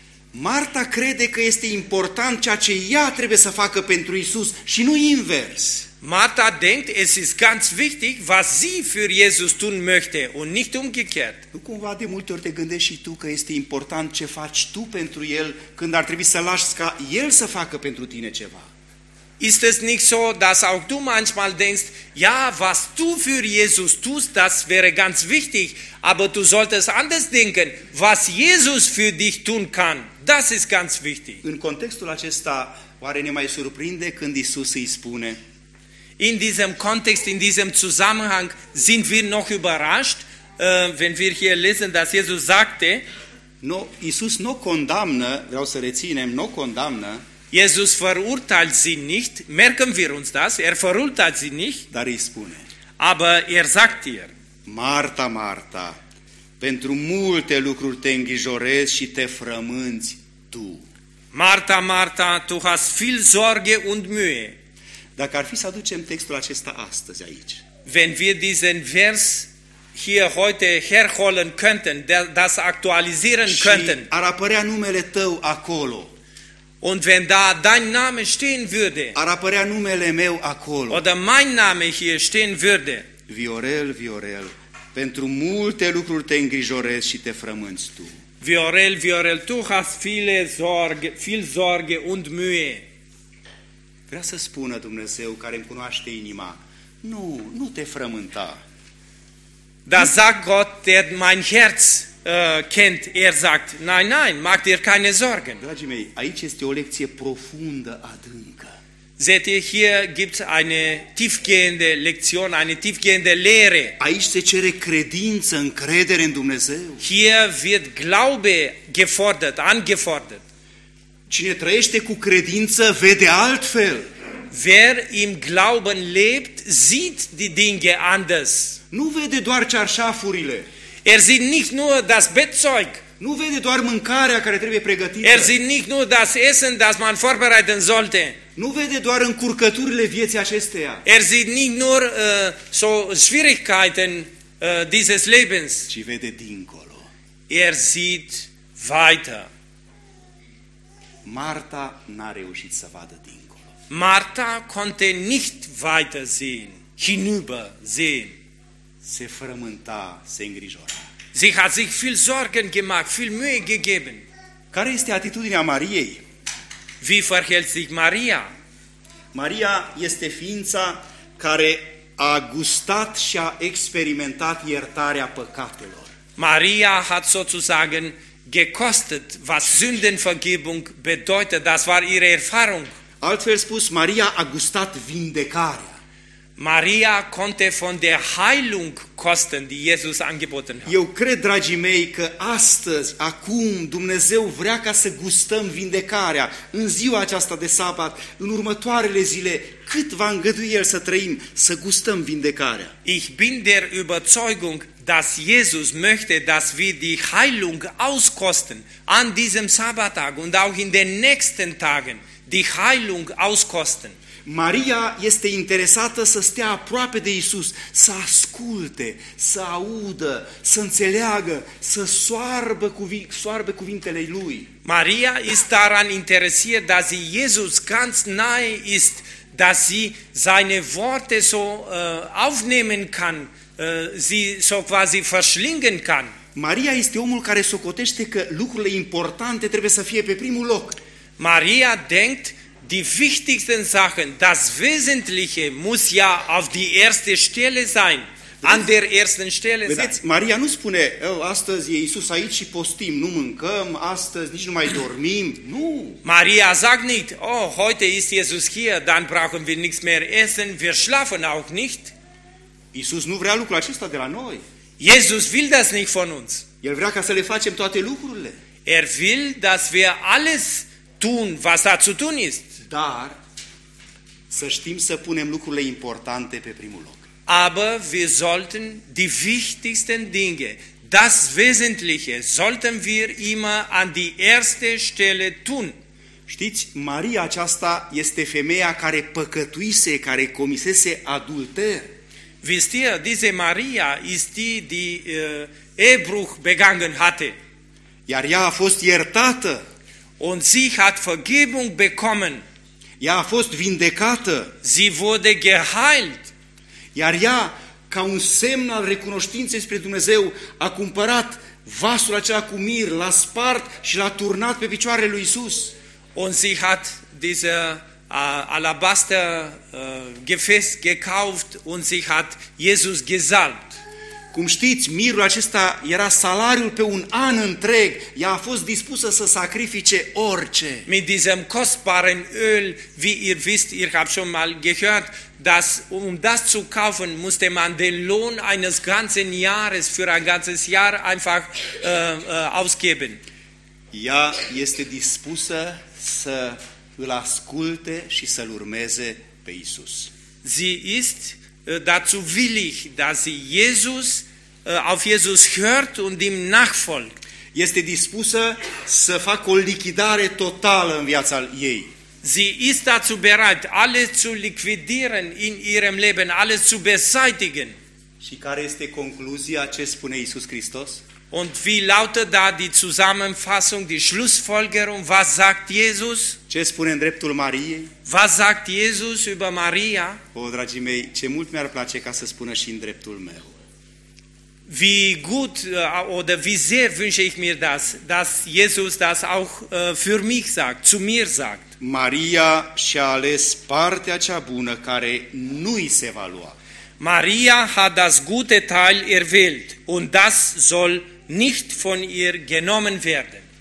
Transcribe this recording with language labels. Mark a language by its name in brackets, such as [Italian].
[Romanian] Marta crede că este important ceea ce ea trebuie să facă pentru Iisus și nu invers. [German] Marta denkt, es ist ganz wichtig, was sie für Jesus tun möchte und nicht umgekehrt. [Romanian] Nu cumva de multe ori te gândești și tu că este important ce faci tu pentru el, când ar trebui să lași ca el să facă pentru tine ceva? [German] Ist es nicht so, dass auch du manchmal denkst, ja, was du für Jesus tust, das wäre ganz wichtig, aber du solltest anders denken, was Jesus für dich tun kann, das ist ganz wichtig. [Romanian] În contextul acesta, oare ne mai surprinde când Iisus îi spune? [German] In diesem Kontext, in diesem Zusammenhang sind wir noch überrascht, wenn wir hier lesen, dass Jesus sagte, [Romanian] no, Iisus nu condamnă, vreau să reținem, nu condamnă. [German] Jesus verurteilt sie nicht, merken wir uns das, er verurteilt sie nicht, [Romanian] dar îi spune, [German] aber er sagt ihr, [Romanian] Marta, Marta, pentru multe lucruri te îngrijorezi și te frămânți tu. [German] Marta, Marta, tu hast viel Sorge und Mühe. [Romanian] Dacă ar fi să aducem textul acesta astăzi aici. [German] Wenn wir diesen Vers hier heute herholen könnten, das aktualisieren könnten. [Romanian] Ar apărea numele tău acolo. [German] Und wenn da dein Name stehen würde. [Romanian] Ar apărea numele meu acolo. [German] Oder mein Name hier stehen würde. [Romanian] Viorel, Viorel, pentru multe lucruri te îngrijorezi și te frămânți tu. [German] Viorel, Viorel, tu hast viele Sorge, viel Sorge und Mühe. [Romanian] Vrea să spună Dumnezeu, care-mi cunoaște inima, nu, nu te frământa. [German] Da sagt Gott, der mein Herz kennt, er sagt, nein, nein, mach dir keine Sorgen. [Romanian] Dragii mei, aici este o lecție profundă, adâncă. [German] Seht ihr, hier gibt's eine tiefgehende Lektion, eine tiefgehende Lehre. [Romanian] Aici se cere credință, încredere în Dumnezeu. [German] Hier wird Glaube gefordert, angefordert. [Romanian] Cine trăiește cu credință vede altfel. [German] Wer im Glauben lebt, sieht die Dinge anders. [Romanian] Nu vede doar cearșafurile. [German] Er sieht nicht nur das Bettzeug. [Romanian] Nu vede doar mâncarea care trebuie pregătită. [German] Er sieht nicht nur das Essen, das man vorbereiten sollte. [Romanian] Nu vede doar încurcăturile vieții acesteia. [German] Er sieht nicht nur so Schwierigkeiten dieses Lebens. [Romanian] Ci vede dincolo. [German] Er sieht weiter. [Romanian] Marta n-a reușit să vadă dincolo. [German] Marta konnte nicht weiter sehen, hinüber sehen. [Romanian] Se frământa, se îngrijora. [German] Sie hat sich viel Sorgen gemacht, viel Mühe gegeben. [Romanian] Care este atitudinea Mariei? [German] Wie verhält sich Maria? [Romanian] Maria este ființa care a gustat și a experimentat iertarea păcatelor. [German] Maria hat sozusagen gekostet, was Sündenvergebung bedeutet. Das war ihre Erfahrung. [Romanian] Altfel spus, Maria a gustat vindecarea. [German] Maria konnte von der Heilung kosten, die Jesus angeboten hat. [Romanian] Eu cred, dragii mei, că astăzi, acum, Dumnezeu vrea ca să gustăm vindecarea în ziua aceasta de sabat, în următoarele zile, cât va îngădui El să trăim, să gustăm vindecarea. [German] Ich bin der Überzeugung, dass Jesus möchte, dass wir die Heilung auskosten an diesem Sabbattag und auch in den nächsten Tagen die Heilung auskosten. [Romanian] Maria este interesată să stea aproape de Iisus, să asculte, să audă, să înțeleagă, să soarbe cuvintele Lui. [German] Maria ist daran interessiert, dass sie Jesus ganz nahe ist, dass sie seine Worte so aufnehmen kann, sie so quasi verschlingen kann. [Romanian] Maria este omul care socotește că lucrurile importante trebuie să fie pe primul loc. [German] Maria denkt, die wichtigsten Sachen, das Wesentliche muss ja auf die erste Stelle sein, an der ersten Stelle sein. [Romanian] Vedeți, Maria nu spune, astăzi e Iisus aici și postim, nu mâncăm, astăzi nici nu mai dormim, nu. [German] Maria sagt nicht, oh, heute ist Jesus hier, dann brauchen wir nichts mehr essen, wir schlafen auch nicht. [Romanian] Iisus nu vrea lucrul acesta de la noi. [German] Jesus will das nicht von uns. [Romanian] El vrea ca să le facem toate lucrurile. [German] Er will, dass wir alles tun, was da zu tun ist. [Romanian] Dar să știm să punem lucrurile importante pe primul loc. [German] Aber wir sollten die wichtigsten Dinge, das Wesentliche, sollten wir immer an die erste Stelle tun. [Romanian] Știți, Maria aceasta este femeia care păcătuise, care comisese adulter. [German] Wisst ihr, diese Maria ist die, die Ehebruch begangen hatte. [Romanian] Iar ea a fost iertată. [German] Und sie hat Vergebung bekommen. [Romanian] Ea a fost vindecată. [German] Sie wurde geheilt. [Romanian] Iar ea, ca un semn al recunoștinței spre Dumnezeu, a cumpărat vasul acela cu mir, l-a spart și l-a turnat pe picioarele lui Iisus. [German] Und sie hat diese Alabaster Gefäß gekauft und sie hat Jesus gesalbt. [Romanian] Cum știți, mirul acesta era salariul pe un an întreg. Ea a fost dispusă să sacrifice orice. [German] Mit diesem kostbaren Öl, wie ihr wisst, ihr habt schon mal gehört, dass um das zu kaufen, musste man den Lohn eines ganzen Jahres für ein ganzes Jahr einfach ausgeben. [Romanian] Ea este dispusă să îl asculte și să-l urmeze pe Iisus. [German] Sie ist dazu willig, dass sie Jesus auf Jesus hört und ihm nachfolgt. [Romanian] Este dispusă să facă o lichidare totală în viața ei. [German] Sie ist dazu bereit, alles zu liquidieren in ihrem Leben, alles zu beseitigen. [Romanian] Și care este concluzia ce spune Iisus Hristos? [German] Und wie lautet da die Zusammenfassung, die Schlussfolgerung? Was sagt Jesus? [Romanian] Ce spune în dreptul Mariei? [German] Was sagt Jesus über Maria? [Romanian] O, dragii mei, ce mult mi-ar place ca să spună și în dreptul meu. [German] Wie gut oder wie sehr wünsche ich mir das, dass Jesus das auch für mich sagt, zu mir sagt. [Romanian] Maria și-a ales partea cea bună care nu i se va lua. [German] Maria hat das gute Teil erwählt und das soll nicht von ihr genommen werden.